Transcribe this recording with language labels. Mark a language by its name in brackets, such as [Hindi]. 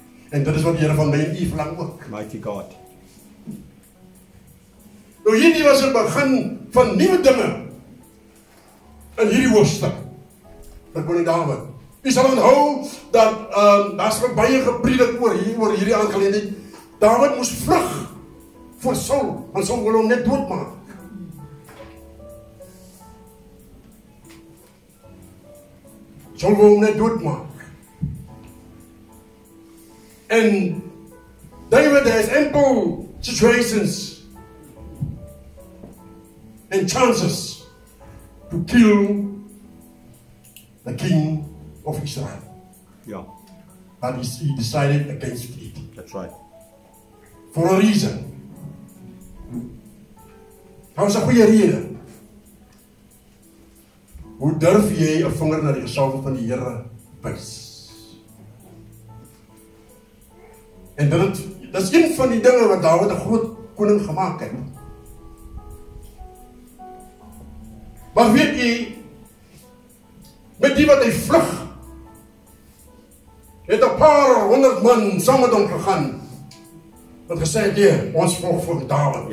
[Afrikaans] En dit is wat die Here van my en u verlang ook. [English] Mighty God. [Afrikaans] Nou hierdie was 'n begin van nuwe dinge in hierdie hoofstuk. Ek wil nie Dawid. Jy sal onthou dat daar's baie gepredik oor hierdie aangeleentheid. Dawid moes vlug voor Saul, want Saul wil hom net doodmaak. Saul wil hom net doodmaak. [English] En David has ample situations and chances to kill the king of Israel. Yeah. But he decided against it. That's right. For a reason. [Afrikaans] Daar was 'n goeie rede. Hoe durf jy 'n vinger na die gesalfde van die Here wys? En dit is een van die dinge wat Dawid 'n groot koning gemaak het. Maar weet jy, met die wat hy vlug, het 'n paar honderd man saam met hom gegaan. Wat gesê het, jy, ons volg voor Dawid.